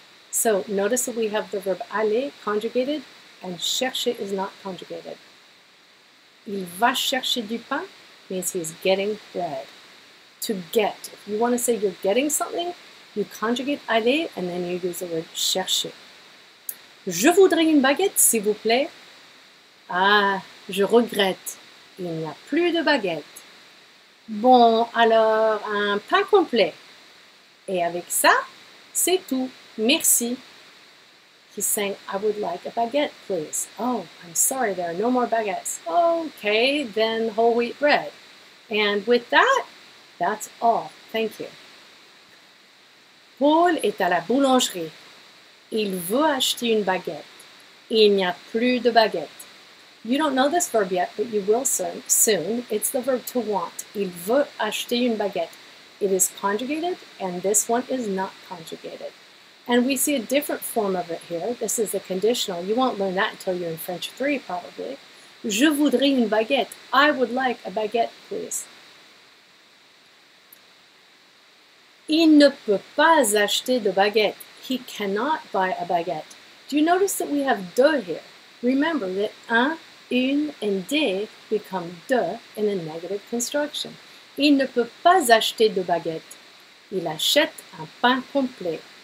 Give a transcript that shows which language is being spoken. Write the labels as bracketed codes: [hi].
[en] So notice that we have the verb aller conjugated. And chercher is not conjugated. [fr] Il va chercher du pain [en] means he's getting bread. To get. If you want to say you're getting something, you conjugate aller and then you use the word chercher. [fr] Je voudrais une baguette, s'il vous plaît. Ah, je regrette. Il n'y a plus de baguette. Bon, alors un pain complet. Et avec ça, c'est tout. Merci. [en] He's saying, I would like a baguette, please. Oh, I'm sorry, there are no more baguettes. Okay, then whole wheat bread. And with that, that's all. Thank you. [fr] Paul est à la boulangerie. Il veut acheter une baguette. Il n'y a plus de baguette. [en] You don't know this verb yet, but you will soon. It's the verb to want. [fr] Il veut acheter une baguette. [en] It is conjugated, and this one is not conjugated. And we see a different form of it here. This is a conditional. You won't learn that until you're in French 3, probably. [fr] Je voudrais une baguette. [en] I would like a baguette, please. [fr] Il ne peut pas acheter de baguette. [en] He cannot buy a baguette. Do you notice that we have de here? Remember that un, une, and des become de in a negative construction. [fr] Il ne peut pas acheter de baguette. Il achète un pain complet.